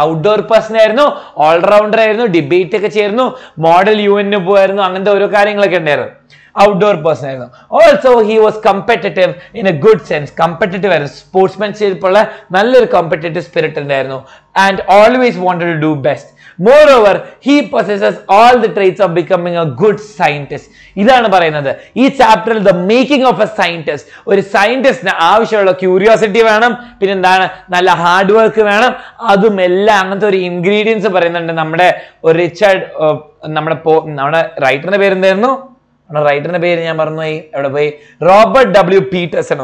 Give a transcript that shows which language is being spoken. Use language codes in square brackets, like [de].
[ml] Outdoor person ആയിരുന്നു, allrounder ആയിരുന്നു, debate ഒക്കെ ചെയ്യുന്നു, മോഡൽ യു എന്നു പോയായിരുന്നു, അങ്ങനത്തെ ഓരോ കാര്യങ്ങളൊക്കെ ഉണ്ടായിരുന്നു. ഔട്ട്ഡോർ പേഴ്സൺ ആയിരുന്നു. [en] Also he was competitive in a good sense. [ml] Competitive ആയിരുന്നു, സ്പോർട്സ്മാൻഷിപ്പ് ഉള്ള നല്ലൊരു കമ്പറ്റേറ്റീവ് സ്പിരിറ്റ് ഉണ്ടായിരുന്നു. [en] And always wanted to do best. Moreover, he possesses all the traits of becoming a good scientist. [ml] ഇതാണ് പറയുന്നത് ഈ ചാപ്റ്ററിൽ, the making of A scientist. ഒരു സയന്റിസ്റ്റിന് ആവശ്യമുള്ള ക്യൂരിയോസിറ്റി വേണം, പിന്നെ എന്താണ് നല്ല ഹാർഡ് വർക്ക് വേണം, അതും എല്ലാം അങ്ങനത്തെ ഒരു ഇൻഗ്രീഡിയൻസ് പറയുന്നുണ്ട് നമ്മുടെ ഒരു റിച്ചാർഡ്. നമ്മുടെ റൈറ്ററിന്റെ പേര് എന്തായിരുന്നു? റൈറ്ററിന്റെ പേര് ഞാൻ പറഞ്ഞു പോയി, എവിടെ പോയി, റോബർട്ട് ഡബ്ല്യു പീറ്റേഴ്സൺ.